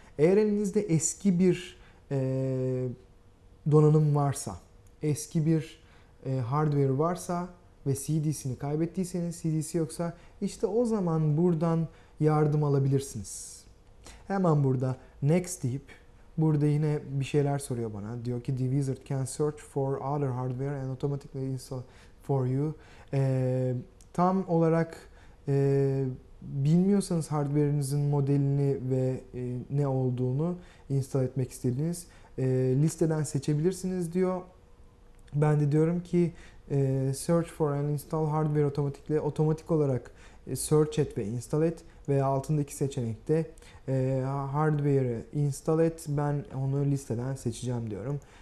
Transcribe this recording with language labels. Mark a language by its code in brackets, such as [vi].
[tr] Eğer elinizde eski bir donanım varsa, eski bir hardware varsa ve CD'sini kaybettiyseniz, CD'si yoksa işte o zaman buradan yardım alabilirsiniz. Hemen burada next deyip burada yine bir şeyler soruyor bana. Diyor ki [en] The Wizard can search for other hardware and automatically install for you. [tr] Tam olarak bilmiyorsanız hardware'inizin modelini ve ne olduğunu install etmek istediğiniz listeden seçebilirsiniz diyor. Ben de diyorum ki [en] search for and install hardware automatically, [tr] otomatik olarak search et ve install et ve altındaki seçenekte hardware'ı install et, ben onu listeden seçeceğim diyorum.